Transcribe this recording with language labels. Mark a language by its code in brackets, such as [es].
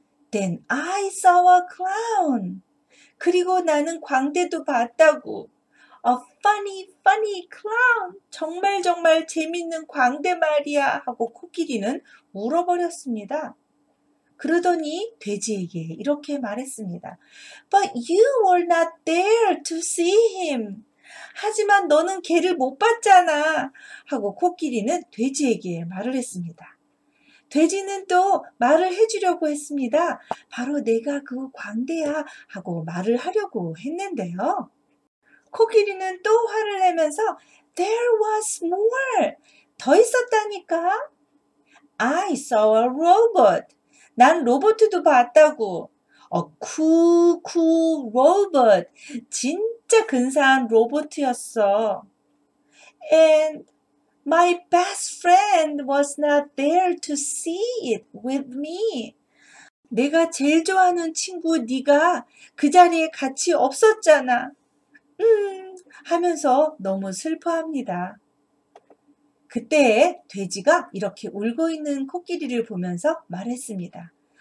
[en] Then I saw a clown. [ko] 그리고 나는 광대도 봤다고. [en] A funny, funny clown. [ko] 정말 정말 재밌는 광대 말이야. 하고 코끼리는 울어버렸습니다. 그러더니 돼지에게 이렇게 말했습니다. [en] But you were not there to see him. [ko] 하지만 너는 걔를 못 봤잖아. 하고 코끼리는 돼지에게 말을 했습니다. 돼지는 또 말을 해주려고 했습니다. 바로 내가 그 광대야. 하고 말을 하려고 했는데요. 코끼리는 또 화를 내면서 [en] There was more. [ko] 더 있었다니까. [en] I saw a robot. [ko] 난 로봇도 봤다고. [en] A cool, cool robot. [ko] 진짜 근사한 로봇이었어. [en] And my best friend was not there to see it with me. [ko] 내가 제일 좋아하는 친구 네가 그 자리에 같이 없었잖아. 하면서 너무 슬퍼합니다. 그때 돼지가 이렇게 울고 있는 코끼리를 보면서 말했습니다.